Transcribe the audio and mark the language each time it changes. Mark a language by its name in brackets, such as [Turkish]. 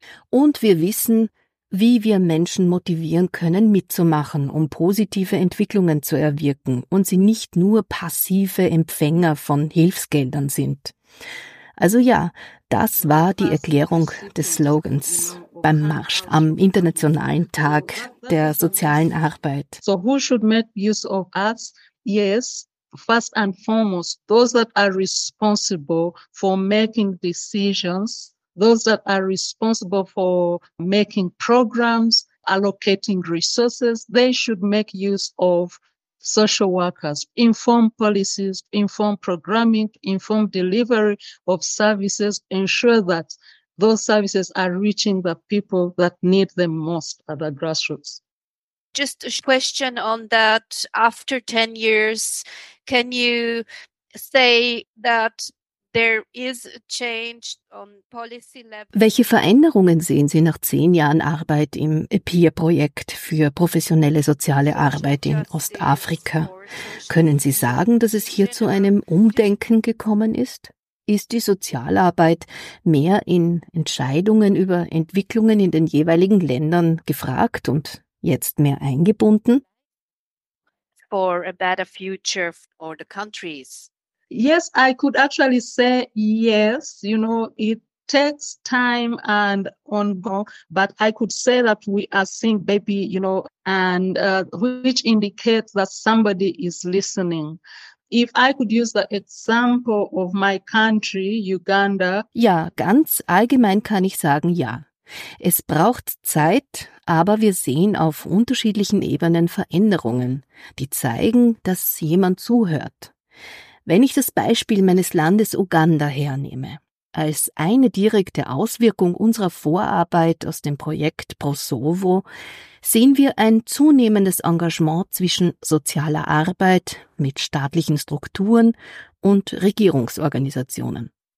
[German] Und wir wissen, wie wir Menschen motivieren können, mitzumachen, um positive Entwicklungen zu erwirken und sie nicht nur passive Empfänger von Hilfsgeldern sind. Also ja, das war die Erklärung des Slogans beim Marsch am Internationalen Tag der sozialen Arbeit. [English] So who should make use of us? Yes, first and foremost, those that are responsible for making decisions, those that are responsible for making programs, allocating resources, they should make use of social workers, inform policies, inform programming, inform delivery of services, ensure that those services are reaching the people that need them most at the grassroots. Just a question on that. After 10 years, can you say that there is a change on policy level? [German] Welche Veränderungen sehen Sie nach 10 Jahren Arbeit im EPIR-Projekt für professionelle soziale Arbeit in Ostafrika? Können Sie sagen, dass es hier zu einem Umdenken gekommen ist? Ist die Sozialarbeit mehr in Entscheidungen über Entwicklungen in den jeweiligen Ländern gefragt und jetzt mehr eingebunden? [English] For a better future for the countries. Yes, I could actually say yes, you know, it takes time and ongoing, but I could say that we are seeing baby, you know, and which indicates that somebody is listening. If I could use the example of my country, Uganda. [German] Ja, ganz allgemein kann ich sagen, ja. Es braucht Zeit, aber wir sehen auf unterschiedlichen Ebenen Veränderungen, die zeigen, dass jemand zuhört. Wenn ich das Beispiel meines Landes Uganda hernehme, als eine direkte Auswirkung unserer Vorarbeit aus dem Projekt Prosovo, sehen wir ein zunehmendes Engagement zwischen sozialer Arbeit mit staatlichen Strukturen und Regierungsorganisationen.